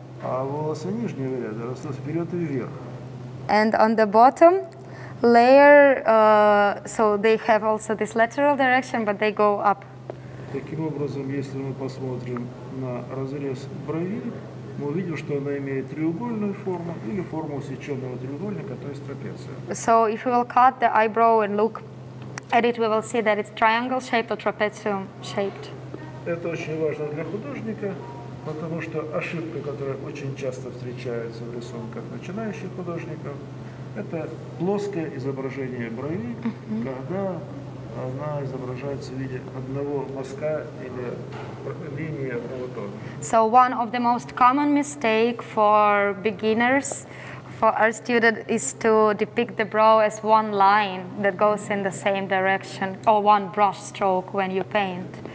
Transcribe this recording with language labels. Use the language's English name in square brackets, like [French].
[Russian] А волосы нижнего ряда растут вперед и вверх. [English] And on the bottom layer, so they have also this lateral direction, but they go up. [Russian] Таким образом, если мы посмотрим на разрез брови, мы увидим, что она имеет треугольную форму или форму усеченного треугольника, то есть трапеция. [English] So if we will cut the eyebrow and look at it, we will see that it's triangle-shaped or trapezium-shaped. [Russian] Это очень важно для художника, Потому что ошибка, которая очень часто встречается в рисунках начинающих художников, это плоское изображение брови, когда она изображается в виде одного мазка или линии одного тона. [English] So one of the most common mistake for beginners, for our student, is to depict the brow as one line that goes in the same direction or one brush stroke when you paint.